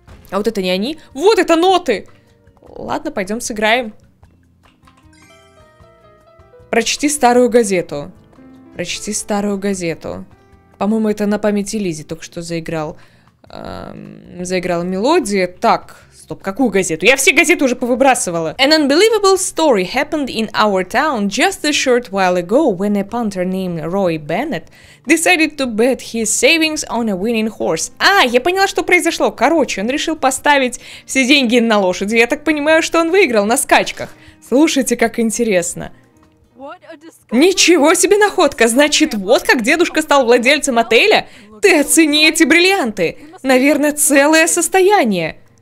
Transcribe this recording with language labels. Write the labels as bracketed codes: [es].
[ru] А вот это не они? Вот это ноты! Ладно, пойдем сыграем. Прочти старую газету. Прочти старую газету. По-моему, это на памяти Лизи только что заиграл. Заиграла мелодия. Так, стоп, какую газету? Я все газеты уже повыбрасывала. [en] An unbelievable story happened in our town just a short while ago when a punter named Roy Bennett decided to bet his savings on a winning horse. [ru] А, я поняла, что произошло. Короче, он решил поставить все деньги на лошади. Я так понимаю, что он выиграл на скачках. Слушайте, как интересно. Ничего себе находка! Значит, вот как дедушка стал владельцем отеля? Ты оцени эти бриллианты! Наверное, целое состояние!